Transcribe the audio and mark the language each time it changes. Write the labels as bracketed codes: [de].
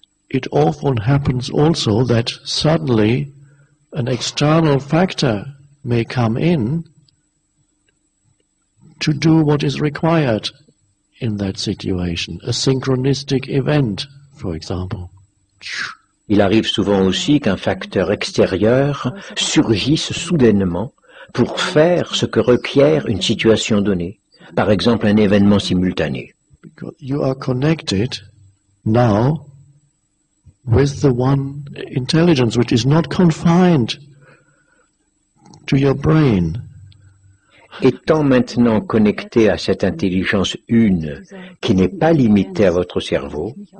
[en] It often happens also that suddenly an external factor may come in to do what is required in that situation, a synchronistic event, for example. [fr] Il arrive souvent aussi qu'un facteur extérieur surgisse soudainement pour faire ce que requiert une situation donnée, par exemple un événement simultané. [en] Because you are connected now with the one intelligence which is not confined to your brain. [fr] Étant maintenant connecté à cette intelligence une qui n'est pas limitée à votre cerveau,